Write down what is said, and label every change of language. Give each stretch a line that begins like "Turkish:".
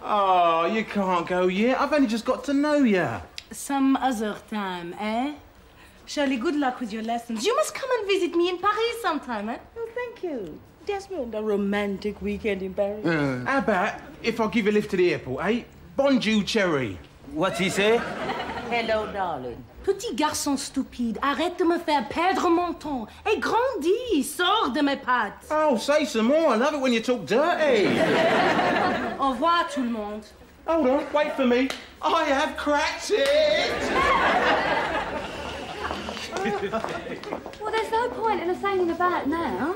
English: Oh, you can't go yet. I've only just got to know you. Some other time, eh? Shirley, good luck with your lessons. You must come and visit me in Paris sometime, eh? Oh, thank you. Desmond, a romantic weekend in Paris. How about if I give a lift to the airport, eh?
French: Bonjour, Cherry.
English: What's he say? Hello, darling.
French: Petit garçon stupide, arrête de me faire perdre mon temps. Et grandis, sors de mes pattes.
English: Oh, say some more. I love it when you talk dirty.
French: Au revoir, tout le monde.
English: Hold on, wait for me. I have cracked it. Well, there's no point in us hanging about now.